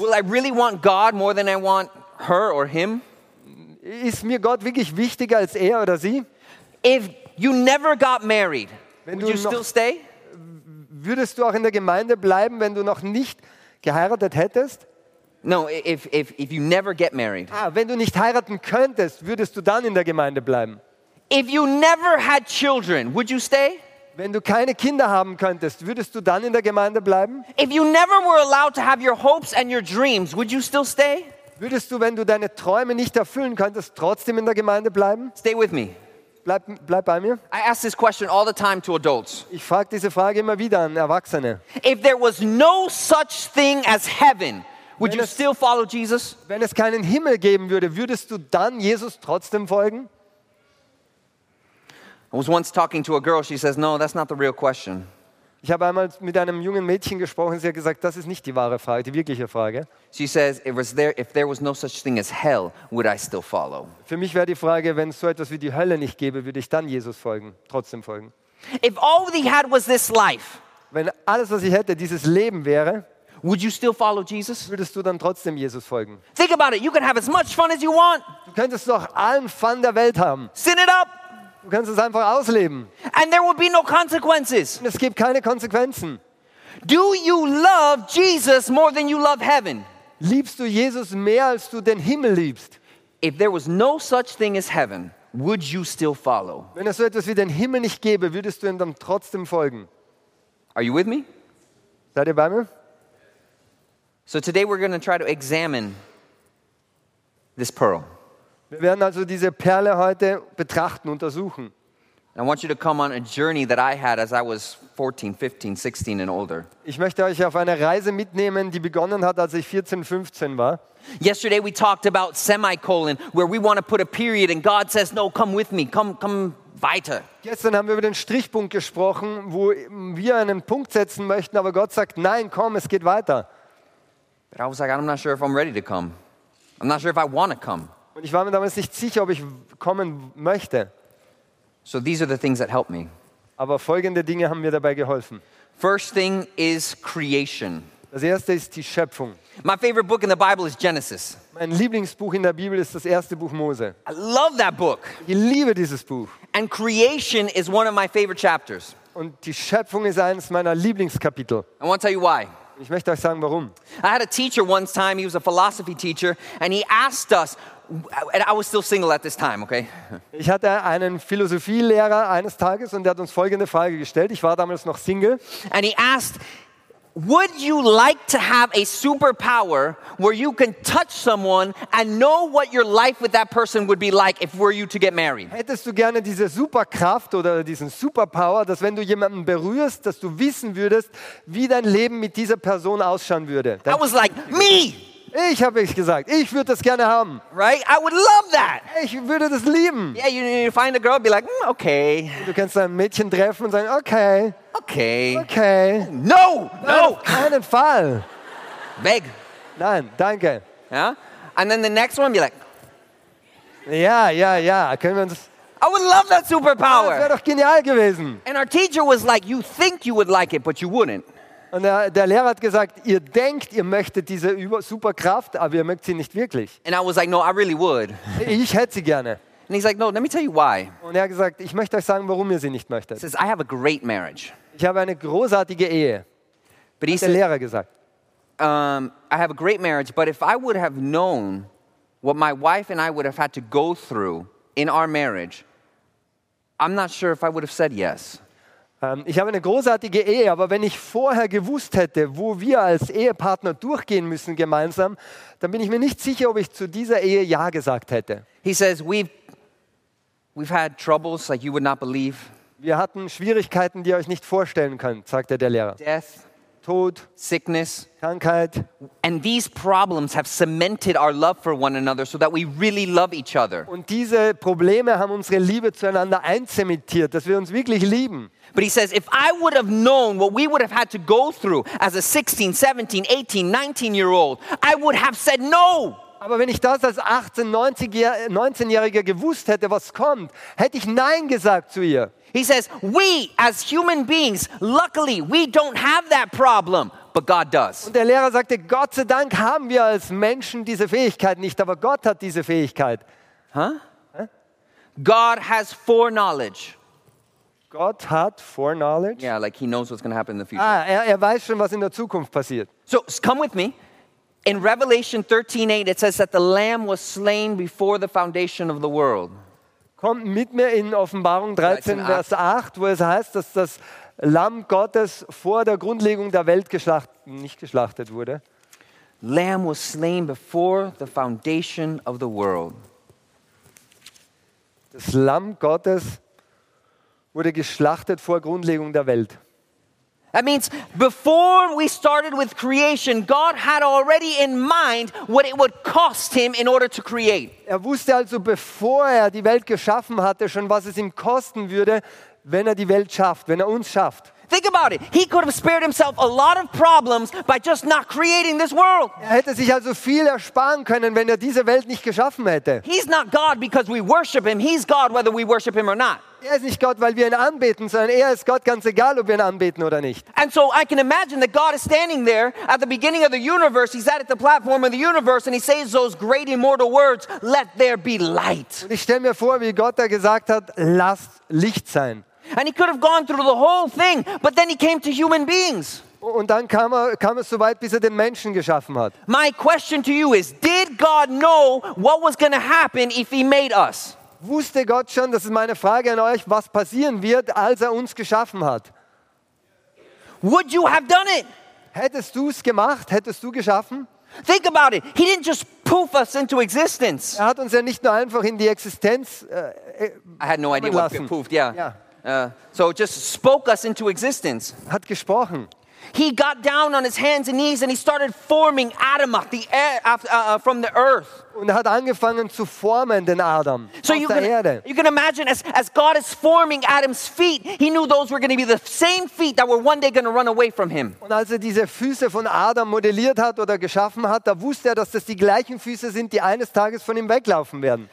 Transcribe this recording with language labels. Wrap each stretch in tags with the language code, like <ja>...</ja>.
<en>Will I really want God more than I want her or him?</en> <de>Ist mir Gott wirklich wichtiger als er oder sie?</de> <en>If you never got married, would you still stay?</en> <de>Würdest du auch in der Gemeinde bleiben, wenn du noch nicht geheiratet hättest?</de> <en>No, if you never get married.</en> <de>Wenn du nicht heiraten könntest, würdest du dann in der Gemeinde bleiben?</de> <en>If you never had children, would you stay?</en> <de>Wenn du keine Kinder haben könntest, würdest du dann in der Gemeinde bleiben?</de> <en>If you never were allowed to have your hopes and your dreams, would you still stay?</en> <de>Würdest du, wenn du deine Träume nicht erfüllen könntest, trotzdem in der Gemeinde bleiben?</de> <en>Stay with me.</en> <de>Bleib bei mir.</de> <en>I ask this question all the time to adults.</en> <de>Ich frage diese Frage immer wieder an Erwachsene.</de> <en>If there was no such thing as heaven, would you still follow Jesus?</en> <de>Wenn es keinen Himmel geben würde, würdest du dann Jesus trotzdem folgen?</de> <en>I was once talking to a girl. She says, "No, that's not the real question."</en> <de>Ich habe einmal mit einem jungen Mädchen gesprochen. Sie hat gesagt, das ist nicht die wahre Frage, die wirkliche Frage.</de> <en>She says, "If there was no such thing as hell, would I still follow?"</en> <de>Für mich wäre die Frage, wenn es so etwas wie die Hölle nicht gäbe, würde ich dann Jesus folgen, trotzdem folgen?</de> <en>If all we had was this life,</en> <de>wenn alles, was ich hätte, dieses Leben wäre.</de> <en>Would you still follow Jesus?</en> <de>Würdest du dann trotzdem Jesus folgen?</de> <en>Think about it. You can have as much fun as you want.</en> <de>Du könntest doch allen Fun der Welt haben.</de> <en>Sin it up.</en> <de>Du kannst es einfach ausleben.</de> <en>And there will be no consequences.</en> <de>Und es gibt keine Konsequenzen.</de> <en>Do you love Jesus more than you love heaven?</en> <de>Liebst du Jesus mehr als du den Himmel liebst?</de> <en>If there was no such thing as heaven, would you still follow?</en> <de>Wenn es so etwas wie den Himmel nicht gäbe, würdest du ihm dann trotzdem folgen?</de> <en>Are you with me?</en> <de>Seid ihr bei mir?</de> <en>So today we're going to try to examine this pearl.</en> <de>Wir werden also diese Perle heute betrachten, untersuchen.</de> <en>I want you to come on a journey that I had as I was 14, 15, 16 and older.</en> <de>Ich möchte euch auf eine Reise mitnehmen, die begonnen hat, als ich 14, 15 war.</de> <en>Yesterday we talked about semicolon, where we want to put a period and God says, no, come with me, come</en> <de>weiter. Gestern haben wir über den Strichpunkt gesprochen, wo wir einen Punkt setzen möchten, aber Gott sagt, nein, komm, es geht weiter.</de> <en>But I was like, I'm not sure if I'm ready to come. I'm not sure if I want to come.</en> <de>Und ich war mir damals nicht sicher, ob ich kommen möchte.</de> <en>So these are the things that help me.</en> <de>Aber folgende Dinge haben mir dabei geholfen.</de> <en>First thing is creation.</en> <de>Das erste ist die Schöpfung.</de> <en>My favorite book in the Bible is Genesis.</en> <de>Mein Lieblingsbuch in der Bibel ist das erste Buch Mose.</de> <en>I love that book.</en> <de>Ich liebe dieses Buch.</de> <en>And creation is one of my favorite chapters.</en> <de>Und die Schöpfung ist eines meiner Lieblingskapitel.</de> <en>I want to tell you why.</en> <de>Ich möchte euch sagen, warum.</de> <en>I had a teacher once time, he was a philosophy teacher, and he asked us, and I was still single at this time, okay?</en> <de>Ich hatte einen Philosophielehrer eines Tages und der hat uns folgende Frage gestellt. Ich war damals noch single.</de> <en>And he asked, would you like to have a superpower where you can touch someone and know what your life with that person would be like if were you to get married?</en> <de>Hättest du gerne diese Superkraft oder diesen Superpower, dass wenn du jemanden berührst, dass du wissen würdest, wie dein Leben mit dieser Person ausschauen würde?</de> <en>I was like, me!</en> <de>Ich habe es gesagt, ich würde das gerne haben.</de> <en>Right? I would love that.</en> <de>Ich würde das lieben.</de> <en>Yeah, you find a girl, be like, okay.</en> <de>Du kannst ein Mädchen treffen und sagen, okay.</de> <en>Okay. Okay. No, no.</en> <de>Keinen Fall. Beg. Nein, danke.</de> <en>Yeah? And then the next one, be like. Yeah, yeah, yeah.</en> <de>Können wir uns.</de> <en>I would love that superpower.</en> <de>Das wäre doch genial gewesen.</de> <en>And our teacher was like, you think you would like it, but you wouldn't.</en> <de>Und der Lehrer hat gesagt, ihr denkt, ihr möchtet diese Superkraft, aber ihr mögt sie nicht wirklich.</de> <en>And I was like, no, I really would.</en> <de>Ich hätte sie gerne.</de> <en>And he's like, no, let me tell you why.</en> <de>Und er hat gesagt, ich möchte euch sagen, warum ihr sie nicht möchtet.</de> <en>He says, I have a great marriage.</en> <de>Ich habe eine großartige Ehe.</de> <en>But</en> <de>hat</de> <en>he</en> <de>der</de> <en>said,</en> <de>Lehrer gesagt.</de> <en>I have a great marriage, but if I would have known what my wife and I would have had to go through in our marriage, I'm not sure if I would have said yes.</en> <de>Ich habe eine großartige Ehe, aber wenn ich vorher gewusst hätte, wo wir als Ehepartner durchgehen müssen gemeinsam, dann bin ich mir nicht sicher, ob ich zu dieser Ehe Ja gesagt hätte.</de> <en>He says, we've had troubles like you would not believe.</en> <de>Wir hatten Schwierigkeiten, die ihr euch nicht vorstellen könnt, sagte der Lehrer.</de> <en>Death,</en> <de>Tod,</de> <en>sickness,</en> <de>Krankheit.</de> <en>And these problems have cemented our love for one another so that we really love each other.</en> <de>Und diese Probleme haben unsere Liebe zueinander einzementiert, dass wir uns wirklich lieben.</de> <en>But he says, if I would have known what we would have had to go through as a 16, 17, 18, 19-year-old, I would have said no.</en> <de>Aber wenn ich das als 18, 19-Jähriger gewusst hätte, was kommt, hätte ich Nein gesagt zu ihr.</de> <en>He says, we as human beings, luckily, we don't have that problem, but God does.</en> <de>Und der Lehrer sagte, Gott sei Dank haben wir als Menschen diese Fähigkeit nicht, aber Gott hat diese Fähigkeit.</de> <en>Huh? God has foreknowledge.</en> <de>Gott hat foreknowledge.</de> <en>Yeah, like he knows what's going to happen in the future.</en> <de>Ah, er weiß schon, was in der Zukunft passiert.</de> <en>So, come with me. In Revelation 13:8, it says that the Lamb was slain before the foundation of the world.</en> <de>Kommt mit mir in Offenbarung 13, Vers 8, wo es heißt, dass das Lamm Gottes vor der Grundlegung der Welt nicht geschlachtet wurde.</de> <en>Lamb was slain before the foundation of the world.</en> <de>Das Lamm Gottes wurde geschlachtet vor Grundlegung der Welt.</de> <en>That means before we started with creation, God had already in mind what it would cost him in order to create.</en> <de>Er wusste also, bevor er die Welt geschaffen hatte, schon, was es ihm kosten würde, wenn er die Welt schafft, wenn er uns schafft.</de> <en>Think about it. He could have spared himself a lot of problems by just not creating this world.</en> <de>Er hätte sich also viel ersparen können, wenn er diese Welt nicht geschaffen hätte.</de> <en>He's not God because we worship him. He's God whether we worship him or not.</en> <de>Er ist nicht Gott, weil wir ihn anbeten, sondern er ist Gott, ganz egal, ob wir ihn anbeten oder nicht.</de> <en>And so I can imagine that God is standing there at the beginning of the universe. He's at the platform of the universe and he says those great immortal words, let there be light.</en> <de>Und ich stelle mir vor, wie Gott da gesagt hat, lasst Licht sein.</de> <en>And he could have gone through the whole thing, but then he came to human beings.</en> <de>Und dann kam es so weit, bis er den Menschen geschaffen hat.</de> <en>My question to you is, did God know what was going to happen if he made us?</en> <de>Wusste Gott schon, das ist meine Frage an euch, was passieren wird, als er uns geschaffen hat?</de> <en>Would you have done it?</en> <de>Hättest du es gemacht? Hättest du geschaffen?</de> <en>Think about it. He didn't just poof us into existence.</en> <de>Er hat uns ja nicht nur einfach in die Existenz</de> <en>I had no idea what we poofed, yeah. So just spoke us into existence.</en> <de>Hat gesprochen.</de> <en>He got down on his hands and knees and he started forming Adam from the earth.</en> <de>Und er hat angefangen zu formen den Adam aus der Erde.</de> <en>You can imagine as God is forming Adam's feet, he knew those were going to be the same feet that were one day going to run away from him.</en> <de>Und als er diese Füße von Adam modelliert hat oder geschaffen hat, da wusste er, dass das die gleichen Füße sind, die eines Tages von ihm weglaufen werden.</de>